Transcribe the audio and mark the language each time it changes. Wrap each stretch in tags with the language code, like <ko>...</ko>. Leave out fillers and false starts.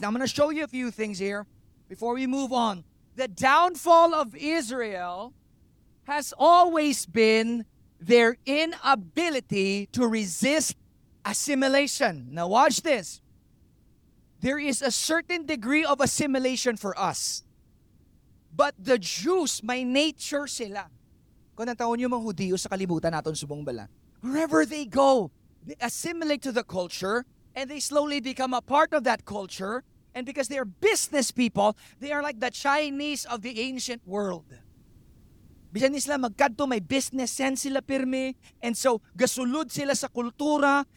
<en>Now I'm going to show you a few things here before we move on. The downfall of Israel has always been their inability to resist assimilation. Now watch this. There is a certain degree of assimilation for us. But the Jews,</en> <hil>may nature sila. Kung nataon yung mga Hudiyo sa kalibutan natin subong bala.</hil> <en>Wherever they go, they assimilate to the culture and they slowly become a part of that culture. And because they are business people, they are like the Chinese of the ancient world.</en> <hil>Bisan sila magkadto, may business sense sila pirmi.</hil> <en>And so,</en> <hil>gasulod sila sa kultura.</hil>